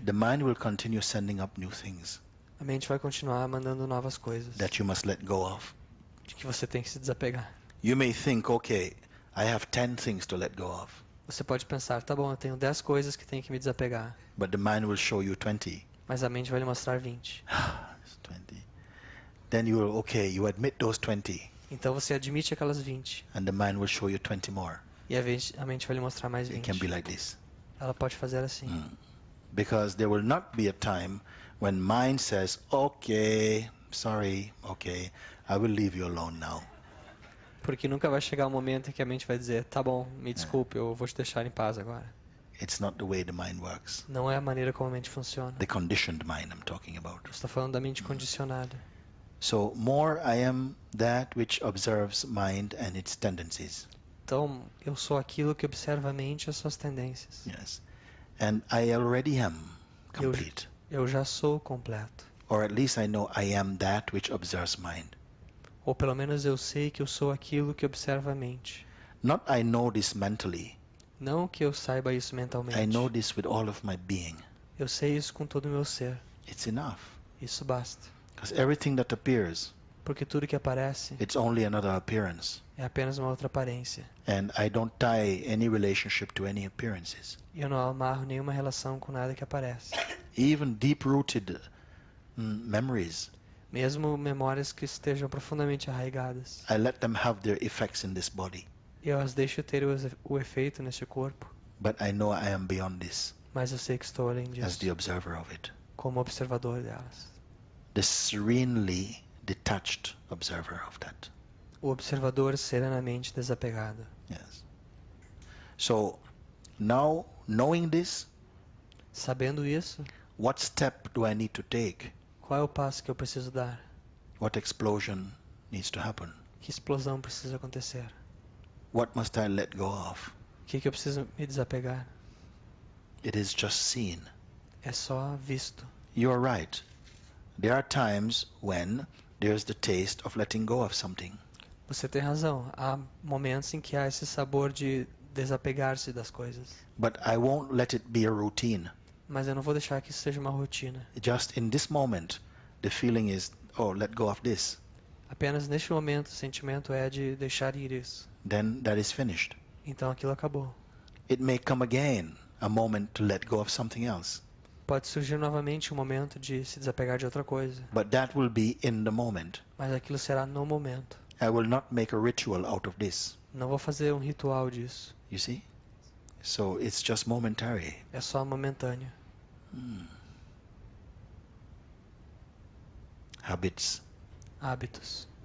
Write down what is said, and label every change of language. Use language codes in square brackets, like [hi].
[en] The mind will continue sending up new things. [pt] A mente vai continuar mandando novas coisas. [en] That you must let go of. [pt] De que você tem que se desapegar. [en] You may think, okay, I have 10 things to let go of. [pt] Você pode pensar, tá bom, eu tenho 10 coisas que tenho que me desapegar. [en] But the mind will show you 20. [pt] Mas a mente vai lhe mostrar 20. [en] It's 20. Then you will, okay, you admit those 20. [pt] Então você admite aquelas 20. [en] And the mind will show you 20 more. [pt] E a mente vai lhe mostrar mais 20. [en] It can be like this. [pt] Ela pode fazer assim. [en] Because there will not be a time when mind says, okay, sorry, okay, I will leave you alone now. [pt] Porque nunca vai chegar o momento em que a mente vai dizer, tá bom, me desculpe, eu vou te deixar em paz agora. [en] It's not the way the mind works. [pt] Não é a maneira como a mente funciona. [en] The conditioned mind I'm talking about. [pt] Estou falando da mente condicionada. [en] So more I am that which observes mind and its tendencies. [pt] Então eu sou aquilo que observa a mente e as suas tendências. [en] Yes. And I already am complete. [pt] Eu já sou completo. [en] Or at least I know I am that which observes mind. [pt] Ou pelo menos eu sei que eu sou aquilo que observa a mente. [en] Not I know this mentally. [pt] Não que eu saiba isso mentalmente. [en] I know this with all of my being. [pt] Eu sei isso com todo o meu ser. [en] It's enough. [pt] Isso basta. [en] Because everything that appears, [pt] porque tudo que aparece, [en] it's only another appearance. [pt] É apenas uma outra aparência. [en] And I don't tie any relationship to any appearances. [pt] Eu não amarro nenhuma relação com nada que aparece. [en] Even deep-rooted memories. [pt] Mesmo memórias que estejam profundamente arraigadas. [en] I let them have their effects in this body. [pt] Eu as deixo ter o efeito neste corpo. [en] But I know I am beyond this. [pt] Mas eu sei que estou além disso. [en] As the observer of it. [pt] Como observador delas. [en] The serenely detached observer of that. [pt] O observador serenamente desapegado. [en] Yes. So, now knowing this, [pt] sabendo isso, [en] what step do I need to take? [pt] Qual é o passo que eu preciso dar? [en] What explosion needs to happen? [pt] Que explosão precisa acontecer? [en] What must I let go of? [pt] Que eu preciso me desapegar? [en] It is just seen. [pt] É só visto. [en] You are right. There are times when there is the taste of letting go of something. [pt] Você tem razão. Há momentos em que há esse sabor de desapegar-se das coisas. [en] But I won't let it be a routine. [pt] Mas eu não vou deixar que isso seja uma rotina. [en] Just in this moment, the feeling is, oh, let go of this. [pt] Apenas neste momento, o sentimento é de deixar ir isso. [en] Then that is finished. [pt] Então aquilo acabou. [en] It may come again, a moment to let go of something else. [pt] Pode surgir novamente um momento de se desapegar de outra coisa. [en] But that will be in the moment. [pt] Mas aquilo será no momento. [en] I will not make a ritual out of this. [pt] Não vou fazer um ritual disso. [en] You see? So it's just momentary. [pt] É só momentâneo. [en] Habits. [pt] Hábitos.